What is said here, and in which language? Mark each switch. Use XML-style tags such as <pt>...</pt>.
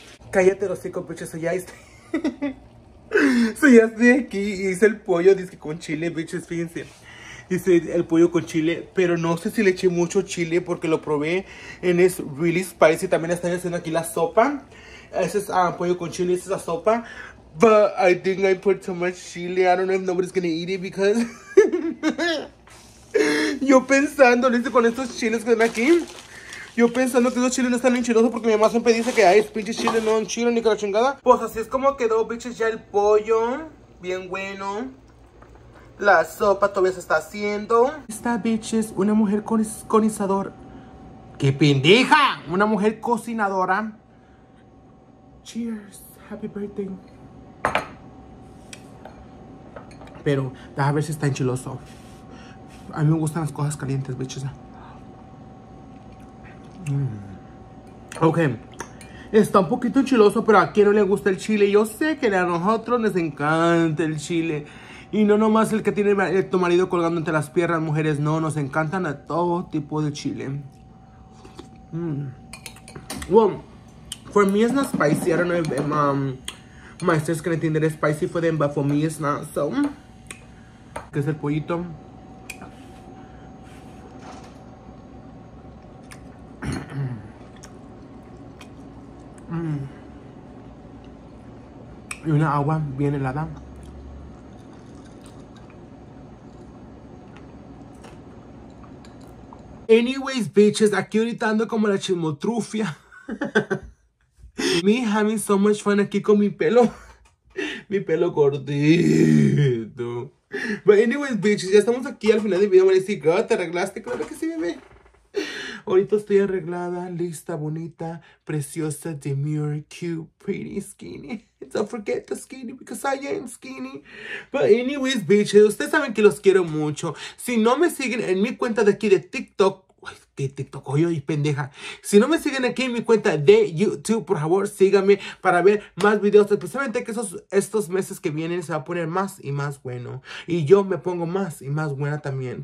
<es>Cállate los cinco, pinches, soy ya estoy. Soy ya estoy aquí, hice el pollo, dice con chile,</es> <en>bitches,</en> <es>fíjense. Hice el pollo con chile, pero no sé si le eché mucho chile porque lo probé en es</es> <en>really spicy.</en> <es>También están haciendo aquí la sopa. Ese es pollo con chile, esa es la sopa.</es> <en>But I think I put too much chile, I don't know if nobody's gonna eat it because...</en> <es>Yo pensando, ¿viste? Con estos chiles que ven aquí. Yo pensando que esos chiles no están enchilosos porque mi mamá siempre dice que hay pinches chiles no enchilos ni que la chingada. Pues así es como quedó,</es> <en>bitches,</en> <es>ya el pollo. Bien bueno. La sopa todavía se está haciendo. Esta,</es> <en>bitches,</en> <es>una mujer conizador. ¡Qué pendeja! Una mujer cocinadora.</es> <en>Cheers. Happy birthday.</en> <es>Pero, a ver si está enchiloso. A mí me gustan las cosas calientes,</es> <en>bitches. Ok.</en> <es>Está un poquito enchiloso, pero ¿a quién no le gusta el chile? Yo sé que a nosotros les encanta el chile. Y no nomás el que tiene tu marido colgando entre las piernas, mujeres. No, nos encantan a todo tipo de chile.</es> <en>Well, for me it's not spicy. I don't know if my sister's gonna think that it's spicy for them, but for me it's not. So,</en> <es>¿qué es el pollito? Y una agua bien helada.</es> <en>Anyways, bitches,</en> <es>aquí ahorita ando como la chismotrufia.</es> <en>Me having so much fun</en> <es>aquí con mi pelo. Mi pelo gordito.</es> <en>But anyways, bitches,</en> <es>ya estamos aquí al final del video. Me voy a decir,</es> <en>girl,</en> <es>¿te arreglaste? Claro que sí, bebé. Ahorita estoy arreglada, lista, bonita, preciosa,</es> <en>demure, cute, pretty, skinny. Don't forget the skinny because I am skinny. But anyways, bitches,</en> <es>ustedes saben que los quiero mucho. Si no me siguen en mi cuenta de aquí de TikTok, ¿qué TikTok? Oye, pendeja. Si no me siguen aquí en mi cuenta de YouTube, por favor, síganme para ver más videos. Especialmente que estos meses que vienen se va a poner más y más bueno. Y yo me pongo más y más buena también.</es>